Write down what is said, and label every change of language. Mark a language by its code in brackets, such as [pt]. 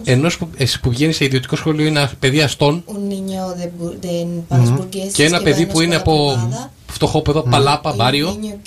[el] Ενός που βγαίνει σε ιδιωτικό σχολείο, είναι παιδί αστών. [es] Un niño de padres burgueses. [el] Και ένα παιδί που είναι από φτωχόπεδο, Παλάπα, μπάριο.